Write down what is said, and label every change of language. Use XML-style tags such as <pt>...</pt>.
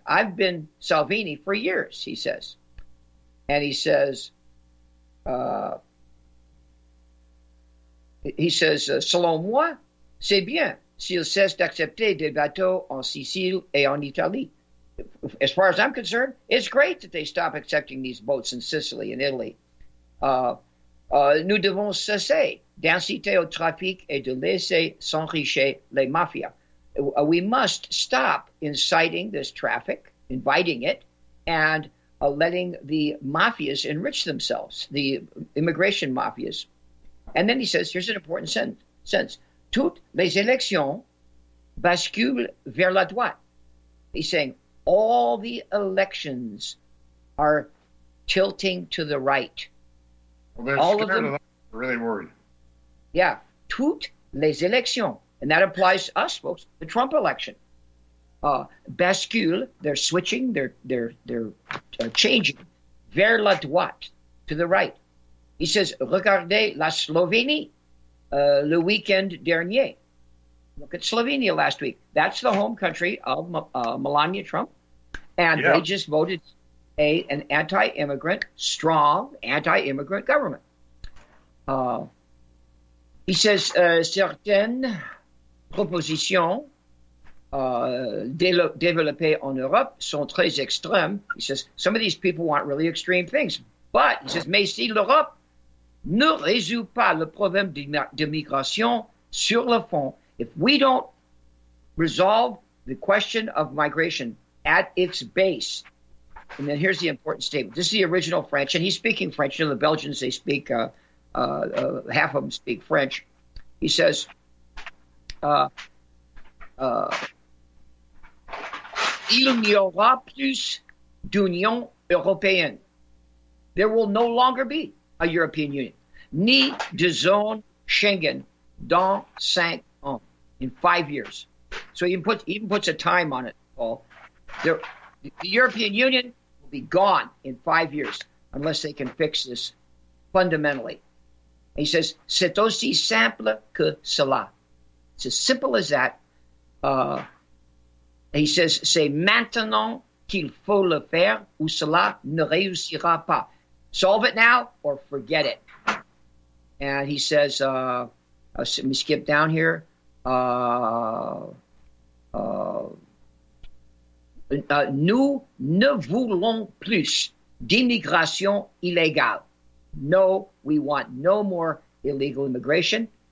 <en>I've been Salvini for years, he says. And he says,</en> <fr>"Selon moi, c'est bien s'il cesse d'accepter des bateaux en Sicile et en Italie."</fr> <en>As far as I'm concerned, it's great that they stop accepting these boats in Sicily and Italy.</en> <fr>Nous devons cesser d'inciter au trafic et de laisser s'enrichir les mafias.</fr> <en>We must stop inciting this traffic, inviting it, and letting the mafias enrich themselves, the immigration mafias. And then he says, here's an important sentence.</en> <fr>Toutes les élections basculent vers la droite.</fr> <en>He's saying all the elections are tilting to the right. Well, all of them. Really worried.</en> <fr>Yeah, toutes les élections</fr> <en>And that applies to us, folks, the Trump election. Bascule, they're switching, they're changing.</en> <fr>Vers la droite,</fr> <en>to the right. He says,</en> <fr>regardez la Slovénie le week-end dernier.</fr> <en>Look at Slovenia last week. That's the home country of Melania Trump. And yeah, they just voted an anti-immigrant, strong anti-immigrant government. He says,</en> <fr>certaines propositions développées en Europe sont très extrêmes.</fr> <en>He says, some of these people want really extreme things. But, he says,</en> <fr>mais si l'Europe ne résout pas le problème de migration sur le fond,</fr> <en>if we don't resolve the question of migration at its base, and then here's the important statement. This is the original French, and he's speaking French. You know, the Belgians, they speak, half of them speak French.</en> <fr>He says, il n'y aura plus d'Union européenne.</fr> <en>There will no longer be a European Union.</en> <fr>Ni de zone Schengen dans 5 ans,</fr> <en>in 5 years. So he even puts a time on it, Paul. The European Union will be gone in 5 years unless they can fix this fundamentally. And he says,</en> <fr>c'est aussi simple que cela.</fr> <en>It's as simple as that.</en> <fr>He says, c'est maintenant qu'il faut le faire ou cela ne réussira pas.</fr> <en>Solve it now or forget it. And he says, let me skip down here.</en> <fr>Nous ne voulons plus d'immigration illégale.</fr> <en>No, we want no more illegal immigration.</en>